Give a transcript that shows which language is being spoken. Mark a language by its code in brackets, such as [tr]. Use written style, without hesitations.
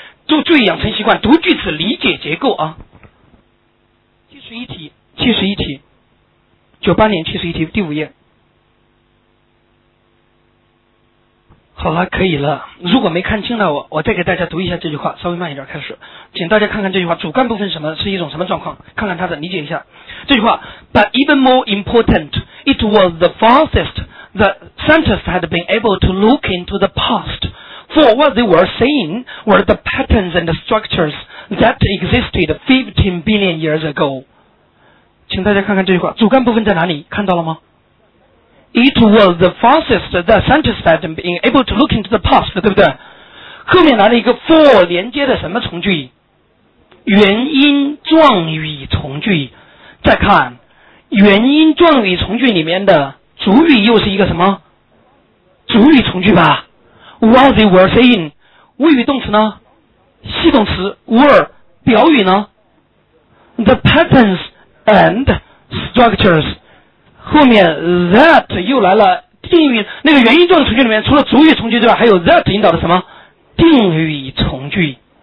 [zh] 就注意养成习惯，读句子，理解结构啊。七十一题，98年七十一题第5页。好了，可以了。如果没看清了，我再给大家读一下这句话，稍微慢一点开始，请大家看看这句话，主干部分什么是一种什么状况，看看它的理解一下。这句话 [en] ，But even more important, it was the farthest the scientists had been able to look into the past for what they were seeing were the patterns and the structures that existed 15 billion years ago. [zh] 请大家看看这句话，主干部分在哪里？看到了吗？ [en] It was the fastest the scientists had been able to look into the past, [zh] 对不对？后面来了一个 for 连接的什么从句？原因状语从句。再看原因状语从句里面的主语又是一个什么？主语从句吧。 [en] While they were saying, [zh] 谓语动词呢？系动词 were, 表语呢？ [en] The patterns and structures, [zh] 后面 that 又来了定语，那个原因状语从句里面除了主语从句之外还有 that 引导的什么定语从句。